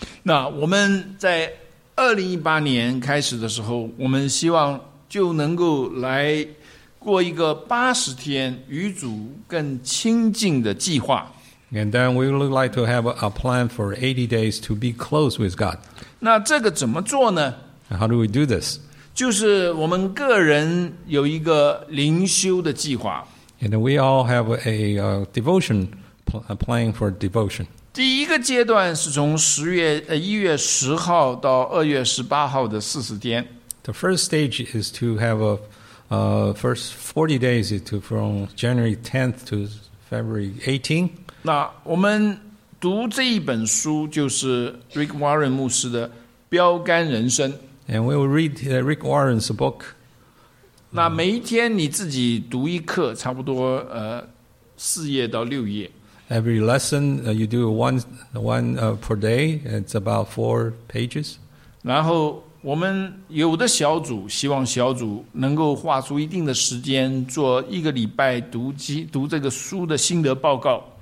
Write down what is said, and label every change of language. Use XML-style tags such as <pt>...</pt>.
<zh>那我们在2018年开始的时候，我们希望就能够来过一个80天与主更亲近的计划。</zh> <en>And then we would like to have a plan for 80 days to be close with God.</en> <zh>那这个怎么做呢？</zh> <en>How do we do this?</en> <zh>就是我们个人有一个灵修的计划。</zh> <en>And we all have a devotion, a plan for devotion.</en> <zh>第一个阶段是从1月10号到2月18号的40天。</zh> <en>The first stage is to have a first 40 days to from January 10th to February 18th.</en> <zh>那我们读这一本书就是 Rick Warren 牧师的《标杆人生》。</zh> <en>And we will read Rick Warren's book.</en> <zh>那每一天你自己读一课，差不多四页到六页。</zh> <en>Every lesson you do one per day, it's about 4 pages.</en> <zh>然后我们有的小组希望小组能够划出一定的时间做一个礼拜读这个书的心得报告。</zh>